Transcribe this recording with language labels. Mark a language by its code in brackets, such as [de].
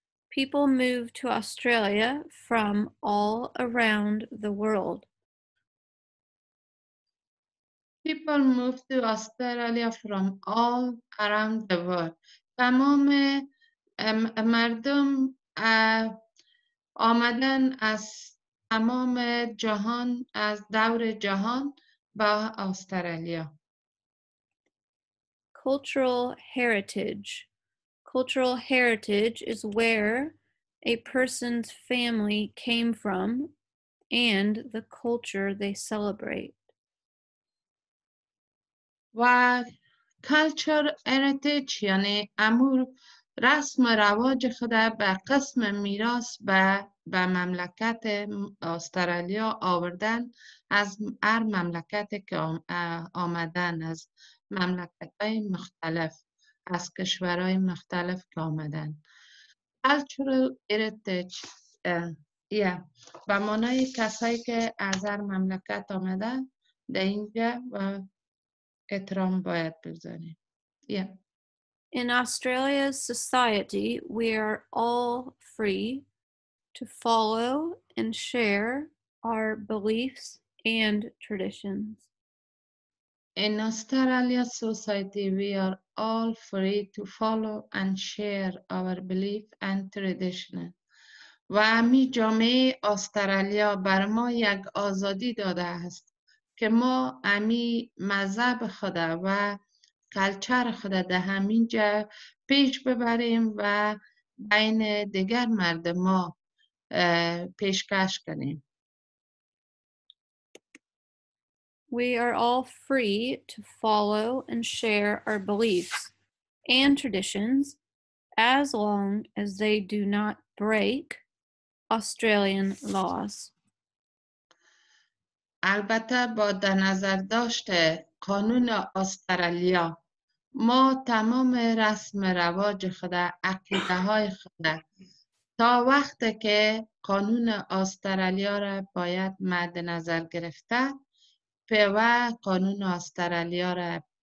[en] People move to Australia from all around the world. People move to Australia from all around the world. [fa] تمام مردم آمدن از تمام جهان از دور جهان به استرالیا. [en] Cultural heritage. Cultural heritage is where a person's family came from and the culture they celebrate. Well, culture heritage [fa] یعنی امور رسم و رواج خود به قسم میراث به مملکت استرالیا آوردن از هر مملکت که آمدن از مملکت های مختلف. از کشورهای مختلف که آمدن. [en] Cultural heritage. [fa] و معنای کسایی که از هر مملکت آمده در اینجا و احترام باید بذاریم. [en] In Australia's society, we are all free to follow and share our beliefs and traditions. In Australia society, we are all free to follow and share our belief and tradition. [fa] و همی جامعه استرالیا بر ما یک آزادی داده است که ما همی مذهب خود و کلچر خود در همین جا پیش ببریم و بین دیگر مرد ما پیشکش کنیم. [en] We are all free to follow and share our beliefs and traditions as long as they do not break Australian laws. [fa] البته با در نظر داشت قانون استرالیا ما تمام رسم رواج خود عقیده های خود تا وقتی که قانون استرالیا را باید مد نظر گرفته پیوا قانون استرالیا را